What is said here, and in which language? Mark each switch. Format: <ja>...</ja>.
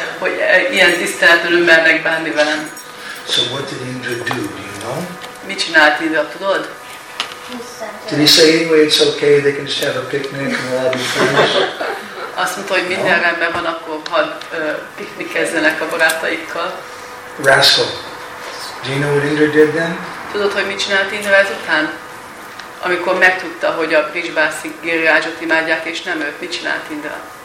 <hu>Hogy ilyen tiszteletlenül mernek bánni velem.</hu> <en>So what did Indra do, you know?</en> <hu>Mit csinált Indra, tudod?</hu> <en>Did he say anyway it's okay, they can just have a picnic and we'll all be friends?</en> <hu>Azt mondta, hogy minden rendben van, akkor hadd piknikezzenek a barátaikkal.</hu> <en>Rascal. Do you know what Indra did then?</en> <hu>Tudod, hogy mit csinált Indra ezután? Amikor megtudta, hogy a Brijbasik Girirajot imádják, és nem őt, mit csinált Indra?</hu>